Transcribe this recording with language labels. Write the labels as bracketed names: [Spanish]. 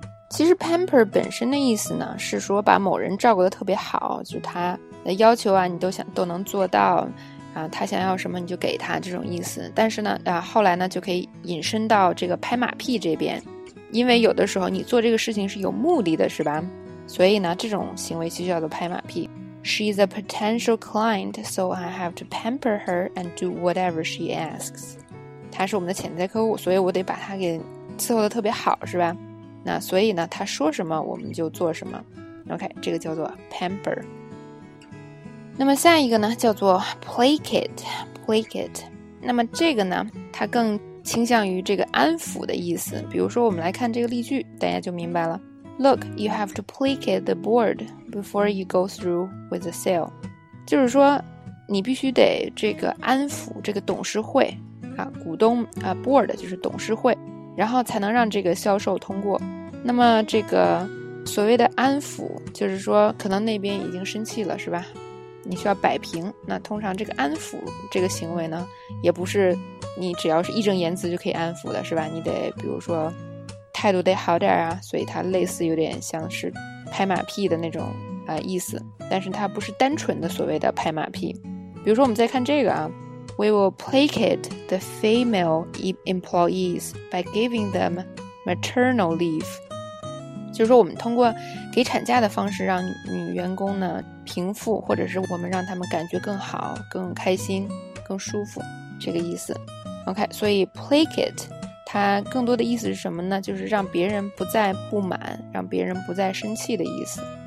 [Chinese] 其实 pamper 本身的意思呢，是说把某人照顾得特别好，就他的要求啊，你都能做到，他想要什么你就给他，这种意思。但是呢，后来呢，就可以引申到这个拍马屁这边，因为有的时候你做这个事情是有目的的，是吧？所以呢，这种行为就叫做拍马屁。 [English] She's a potential client, so I have to pamper her and do whatever she asks. [Chinese] 她是我们的潜在客户，所以我得把她给伺候得特别好，是吧？那所以呢，他说什么我们就做什么。 OK， 这个叫做 pamper。那么下一个呢，叫做 placate。那么这个呢，它更倾向于这个安抚的意思。比如说我们来看这个例句，大家就明白了。 [English] Look, you have to placate the board before you go through with the sale. [Chinese] 就是说你必须得这个安抚这个董事会啊，股东啊， board 就是董事会，然后才能让这个销售通过。那么这个所谓的安抚，就是说可能那边已经生气了，是吧？你需要摆平。那通常这个安抚这个行为呢，也不是你只要是义正言辞就可以安抚的，是吧？你得比如说态度得好点啊，所以它类似有点像是拍马屁的那种意思，但是它不是单纯的所谓的拍马屁。比如说我们再看这个啊， [English] We will placate the female employees by giving them maternal leave. [Chinese] 就是说我们通过给产假的方式让 女员工呢平复，或者是我们让他们感觉更好，更开心，更舒服，这个意思。 OK， 所以 placate 它更多的意思是什么呢？就是让别人不再不满，让别人不再生气的意思。